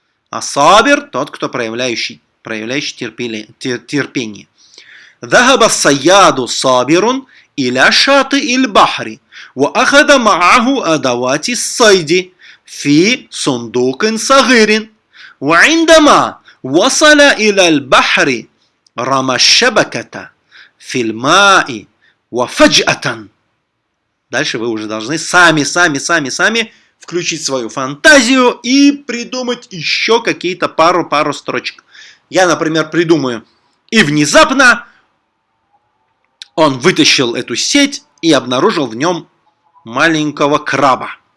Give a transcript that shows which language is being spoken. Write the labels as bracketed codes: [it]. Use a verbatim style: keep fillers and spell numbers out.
[ru] А Сабир — тот, кто проявляющий, проявляющий терпели, тер, терпение. [ar] Захаба саяду сабирун иля шаты иль бахри. Ва ахада мааху адавати сайди. Фи сундукин сагирин. Ва индама васаля иля аль бахри. رمى الشبكة في الماء وفجأة [ru] Дальше вы уже должны сами, сами, сами, сами включить свою фантазию и придумать еще какие-то пару, пару строчек. Я, например, придумаю. И внезапно он вытащил эту сеть и обнаружил в нем маленького краба.